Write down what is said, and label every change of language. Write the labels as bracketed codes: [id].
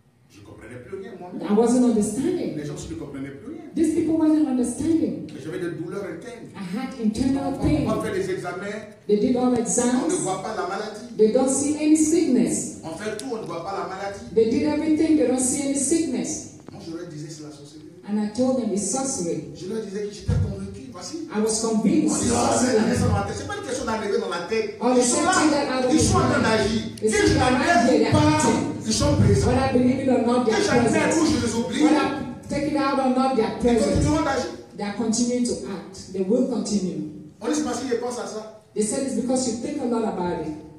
[fr] Je comprenais plus rien, moi. [en] I wasn't understanding. [fr] Les gens, je ne comprenais plus. [en] These wasn't understanding. [fr] J'avais des douleurs internes. [en] I had internal pain. [fr] On fait les examens. [en] They did all exams. [fr] On ne voit pas la maladie. [en] They don't see any sickness. [fr] On fait tout, on ne voit pas la maladie. [en] They did everything, they don't see any sickness. [fr] Moi, je leur disais c'est la sorcellerie. [en] And I told them it's sorcery. [fr] Je leur disais que j'étais convaincu. Voici. [en] I was convinced. [fr] Dit, oh, c'est pas une question d'arriver dans la tête. Ils sont là. Ils sont en train d'agir. Si je n'arrive pas, ils sont présents. [en] Whether I believe it or not, they are present. [fr] Je les oublie. [en] Take it out or not, they are present. [fr] Ils continuent d'agir. [en] They are continuing to act. They will continue. [fr] On dit parce qu'ils pensent à ça. [en] They said it's because you think a lot about it.